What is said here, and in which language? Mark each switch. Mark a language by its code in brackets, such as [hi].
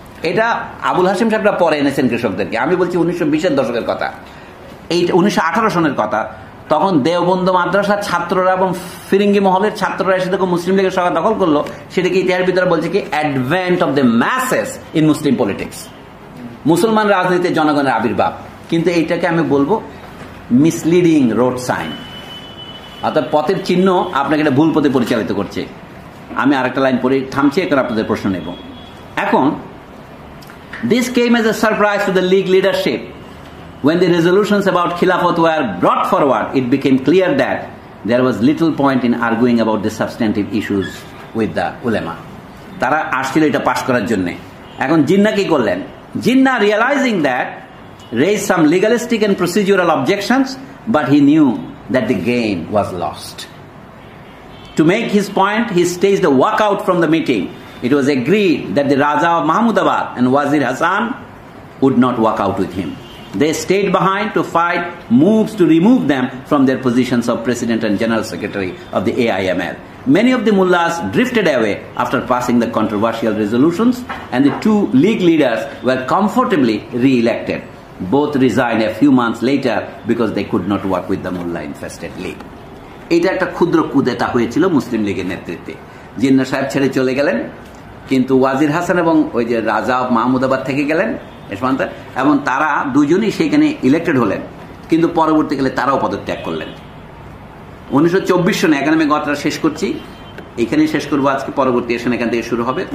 [bn] এটা আবুল হাশিম সাহেবরা পরে এনেছেন কৃষকদেরকে, আমি বলছি 1920-এর দশকের কথা, এই 1918 সনের কথা, তখন দেওবন্দ মাদ্রাসার ছাত্ররা এবং ফিরিঙ্গি মহলের ছাত্ররা এসে দেখুন মুসলিম লীগের সভা দখল করলো, সেটাকে ইতিহাস বিদ্যারা বলছে কি [en] advent of the masses in Muslim politics, [bn] মুসলমান রাজনীতিতে জনগণের আবির্ভাব। কিন্তু এইটাকে আমি বলবো [en] misleading road sign, [bn] অর্থাৎ পথের চিহ্ন আপনাকে একটা ভুল পথে পরিচালিত করছে। আমি আরেকটা লাইন পড়ে থামছি, এখন আপনাদের প্রশ্ন নেব। [en] এখন this came as a surprise to the League leadership When the resolutions about Khilafat were brought forward, it became clear that there was little point in arguing about the substantive issues with the ulema. [bn] Tara ashchilo eta pass korar jonno. Ekhon Jinnah ki korlen? [en] Jinnah realizing that raised some legalistic and procedural objections, but he knew that the game was lost. To make his point, he staged a walkout from the meeting. It was agreed that the Raja of Mahmudabad and Wazir Hasan would not walk out with him. They stayed behind to fight moves to remove them from their positions of President and General Secretary of the AIML. Many of the mullahs drifted away after passing the controversial resolutions, and the two league leaders were comfortably re-elected. Both resigned a few months later because they could not work with the mullah-infested league. [bn] এটা একটা ক্ষুদ্র কুদেতা হয়েছিল মুসলিম লীগের নেতৃত্বে। জিন্নাহ সাহেব ছেড়ে চলে গেলেন, কিন্তু ওয়াজির হাসান এবং ওই যে রাজা অফ মাহমুদাবাদ থেকে গেলেন ইশমান্ত, এবং তারা দুজনই সেখানে ইলেক্টেড হলেন, কিন্তু পরবর্তীকালে তারাও পদত্যাগ করলেন। 1924 সনে, এখানে আমি গতটা শেষ করছি, এখানেই শেষ করবো আজকে, পরবর্তী এসে এখান থেকে শুরু হবে।